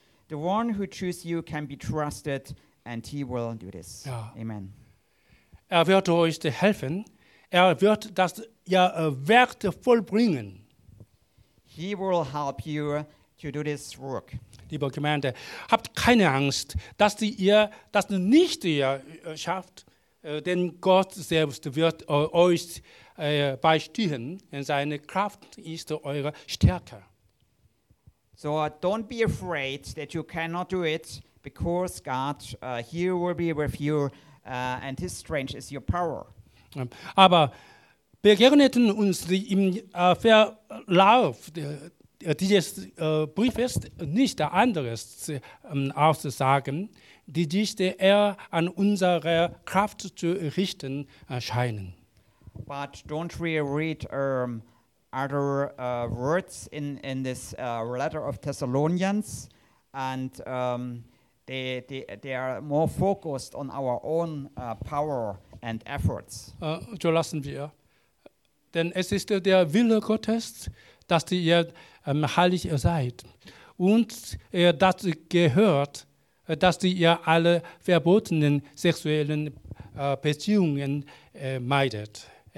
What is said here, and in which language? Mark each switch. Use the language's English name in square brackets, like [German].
[English] The one who chooses you can be trusted, and he will do this. [German] Ja. Amen. Er wird euch helfen. Er wird das Werk vollbringen. [English] He will help you to do this work. [German] Liebe Gemeinde, habt keine Angst, dass ihr das nicht schafft, denn Gott selbst wird euch beistehen, denn seine Kraft ist eure Stärke. [English] So don't be afraid that you cannot do it, because God here will be with you and his strength is your power. [German] Aber begegneten uns im Verlauf dieses Briefes nicht anderes auszusagen, die sich eher an unsere Kraft zu richten scheinen. [English] But don't we read other words in this letter of Thessalonians, and they are more focused on our own power and efforts. [German] So lassen wir. Denn es ist der Wille Gottes, dass ihr heilig seid und das gehört, dass ihr alle verbotenen sexuellen Beziehungen meidet.